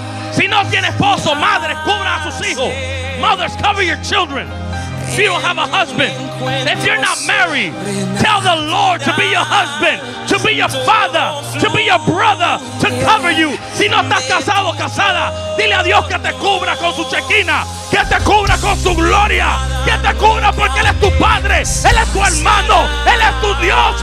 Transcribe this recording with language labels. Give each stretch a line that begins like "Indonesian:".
Spanish: Si no tiene esposo, madre, cubra a sus hijos.
English: Mothers, cover your children. If you don't have a husband, if you're not married, tell the Lord to be your husband, to be your father, to be your brother, to cover you.
Spanish: Si no estás casado o casada, dile a Dios que te cubra con su chequina, que te cubra con su gloria, que te cubra porque Él es tu padre, Él es tu hermano, Él es tu Dios.